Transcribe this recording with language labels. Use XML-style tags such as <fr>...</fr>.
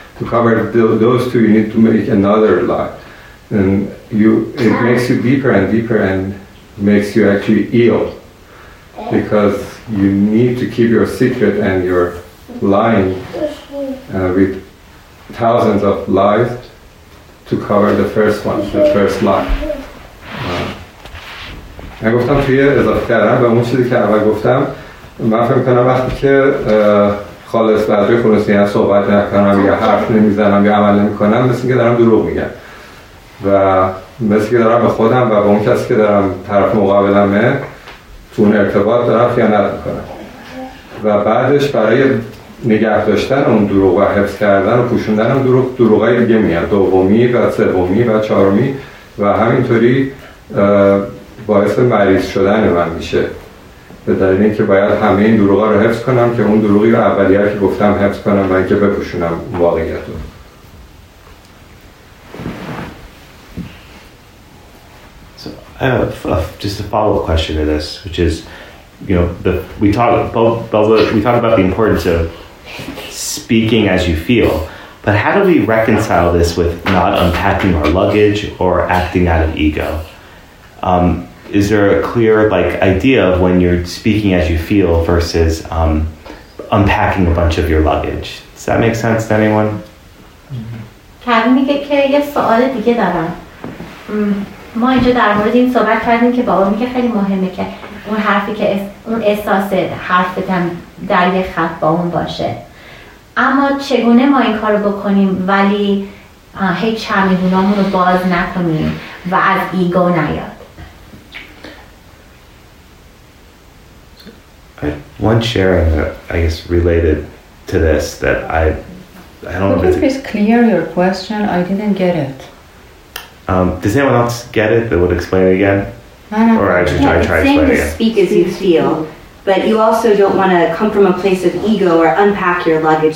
<en>To cover those two, you need to make another lie. And it makes you deeper and deeper and makes you actually ill. Because you need to keep your secret and your lying with thousands of lies to cover the first one, the first lie.</en> <fa>من گفتم توی اضافه کردن به اون چیزی که اول گفتم من فکر می‌کنم وقتی که خالص بعد روی خلوصی هم صحبت نکنم یا حرف نمیزنم یا عمل نمیکنم مثل که دارم دروغ میگم و مثل که دارم به خودم و به اون کسی که دارم طرف مقابلمه تو اون ارتباط دارم خیانت میکنم و بعدش برای نگه داشتن اون دروغ و حفظ کردن و پوشوندن اون دروغ دروغای دیگه میاد دومی و سومی و چهارمی و همینطوری باعث مریض شدن من میشه به دلیل اینکه باید همه این دروغا رو حفظ کنم که اون دروغی رو اولیه که گفتم حفظ کنم و اینکه بپوشونم واقعیت رو.</fa> <en>So I have just a follow-up question to this, which is, you know, we talked about the importance of speaking as you feel, but how do we reconcile this with not unpacking our luggage or acting out of ego? Is there a clear idea of when you're speaking as you feel versus unpacking a bunch of your luggage? Does that make sense to anyone?</en> <fa>کردم میگه که یه سوال دیگه دارم. ما اینجا در مورد این صحبت کردیم که بابا میگه خیلی مهمه که اون حرفی که اون احساس حرفت هم در یه خط با اون باشه. اما چگونه ما این کارو بکنیم ولی هیچ چمدونامون رو باز نکنیم و از ایگو نیاد؟</fa> <en>One sharing that I guess related to this that I don't know. Could you please clear your question? I didn't get it. Does anyone else get it that would explain it again? Saying to speak as you feel, but you also don't want to come from a place of ego or unpack your luggage.</en>